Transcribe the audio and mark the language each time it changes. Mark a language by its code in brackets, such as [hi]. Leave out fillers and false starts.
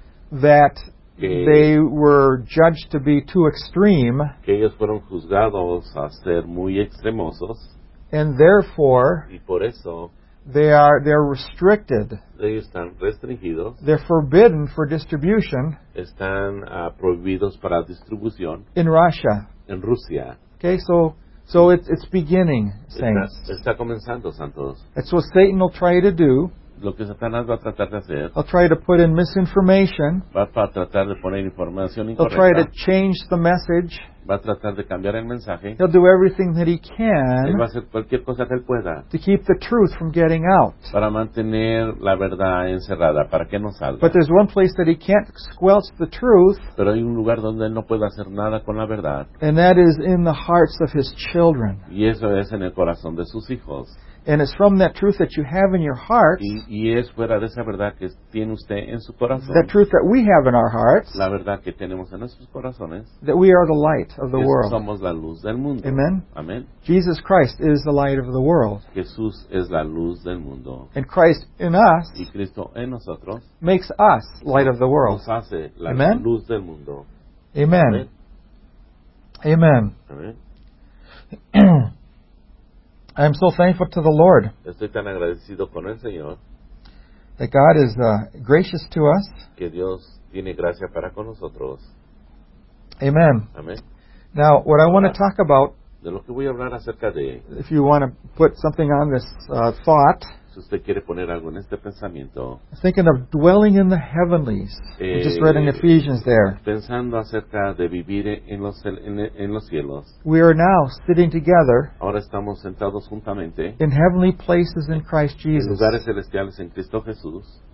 [en] that they were judged to be too extreme, [es] que ellos fueron juzgados a ser muy extremosos, [en] and therefore, [es] y por eso, [en] they're restricted, [es] ellos están restringidos, [en] they're forbidden for distribution, [es] están prohibidos para distribución, [en] in Russia, [es] en Rusia, [en] okay, so. So it's beginning, saints. [es] Está comenzando, santos. [en] It's what Satan will try to do. [es] Lo que Satanás va a tratar de hacer. [en] He'll try to put in misinformation. [es] Va a tratar de poner información incorrecta. [en] He'll try to change the message. [es] Va a tratar de cambiar el mensaje. [en] He'll do everything that he can. [es] Él va a hacer cualquier cosa que él pueda. [en] To keep the truth from getting out. [es] Para mantener la verdad encerrada, para que no salga. [en] But there's one place that he can't squelch the truth. [es] Pero hay un lugar donde él no puede hacer nada con la verdad. [en] And that is in the hearts of his children. [es] Y eso es en el corazón de sus hijos. [en] And it's from that truth that you have in your heart. [es] Y es fuera de esa verdad que tiene usted en su corazón. [en] That truth that we have in our hearts. [es] La verdad que tenemos en nuestros corazones. [en] That we are the light of the world. [es] Somos la luz del mundo. [en] Amen. [es] Amen. [en] Jesus Christ is the light of the world. [es] Jesús es la luz del mundo. [en] And Christ in us. [es] Y Cristo en nosotros. [en] Makes us light of the world. [es] Nos hace la Amen. Luz del mundo. [en] Amen. Amen. [es] Amen. Amen. [en] I am so thankful to the Lord. [es] Estoy tan agradecido con el Señor. [en] That God is gracious to us. [es] Que Dios tiene gracia para con nosotros. [en] Amen. [es] Amen. [en] Now, what I want to talk about, [es] de lo que voy a hablar acerca de, [en] if you want to put something on this thought, [es] si usted quiere poner algo en este pensamiento, [en] thinking of dwelling in the heavenlies, we just read in Ephesians there. [es] Pensando acerca de vivir en los cielos. [en] We are now sitting together. [es] Ahora estamos sentados juntamente. [en] In heavenly places in Christ Jesus. [es] En lugares celestiales en Cristo Jesús.